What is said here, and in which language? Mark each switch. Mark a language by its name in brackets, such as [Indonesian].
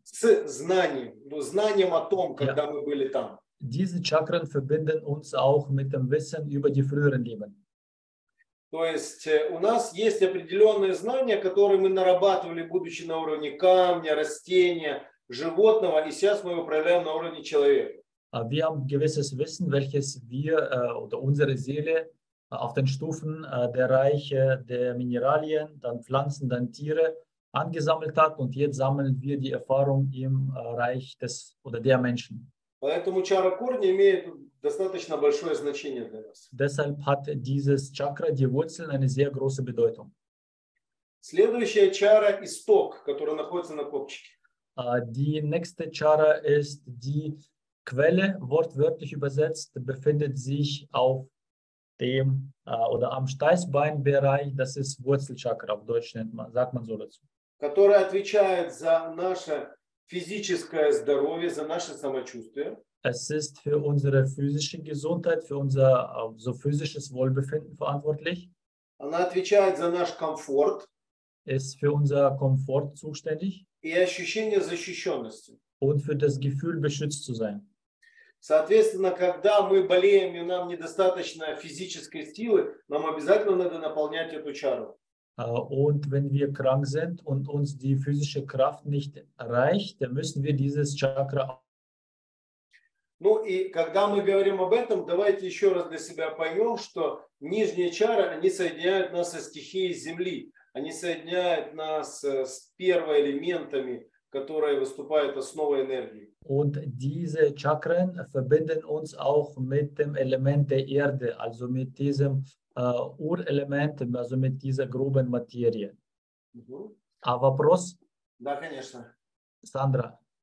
[Russian] С знанием, ну, знанием о том, когда мы были там. [German] Diese Chakren verbinden uns auch mit dem Wissen über die früheren Leben. [Russian] То есть у нас есть определенные знания, которые мы нарабатывали, будучи на уровне камня, растения, животного, и сейчас мы его проявляем на уровне человека. [German] Wir haben gewisses Wissen, welches wir oder unsere Seele auf den Stufen der Reiche der Mineralien, dann Pflanzen, dann Tiere angesammelt hat, und jetzt sammeln wir die Erfahrung im Reich des oder der Menschen. [Russian] Поэтому чара корня имеет достаточно большое значение для нас. [German] Deshalb hat dieses Chakra, die Wurzeln, eine sehr große Bedeutung. [Russian] Следующая чара – исток, который находится на копчике. [German] Die nächste чара ist die Quelle, wortwörtlich übersetzt, befindet sich auf dem oder am Steißbeinbereich, das ist Wurzelchakra, auf Deutsch nennt man, sagt man so dazu. [Russian] Которая отвечает за наше физическое здоровье, за наше самочувствие. [German] Es ist für unsere physische Gesundheit, für unser so physisches Wohlbefinden verantwortlich. [Russian] Она отвечает за наш комфорт. [German] Ist für unser Komfort zuständig. [Russian] И ощущение защищенности. [German] Und für das Gefühl, beschützt zu sein. [Russian] Соответственно, когда мы болеем и нам недостаточно физической силы, нам обязательно надо наполнять эту чару. [German] Und wenn wir krank sind und uns die physische Kraft nicht reicht, dann müssen wir dieses Chakra. [Russian] Ну и когда мы говорим об этом, давайте еще раз для себя поймем, что нижние чары, они соединяют нас со стихией Земли. Они соединяют нас с первоэлементами, которые выступают основой энергии. [German] Und diese Chakren verbinden uns auch mit dem Element der Erde, also mit diesem Urelement, also mit dieser groben Materie. [Russian] Mhm. А вопрос? Да, конечно. Сандра.